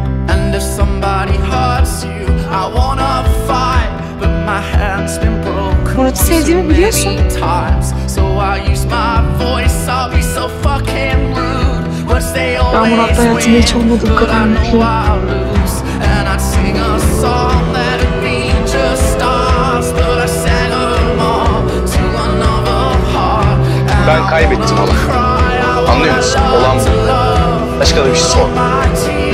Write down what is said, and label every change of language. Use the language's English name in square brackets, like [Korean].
[English] And if somebody hurts you, I wanna fight, but my hands been broken. [Turkish] Murat'ı sevdiğimi biliyorsun. [English] So I use my voice, I'll be so fucking rude. But stay on. [Turkish] Ben Murat'la hayatımda hiç olmadığım kadar mutluyum. [English] And I'd sing a song that it'd be just us, but I sang them all to another heart. [Turkish] Ben kaybettim ama. Anlıyor musun? Olan bu. Başka da bir şey sor.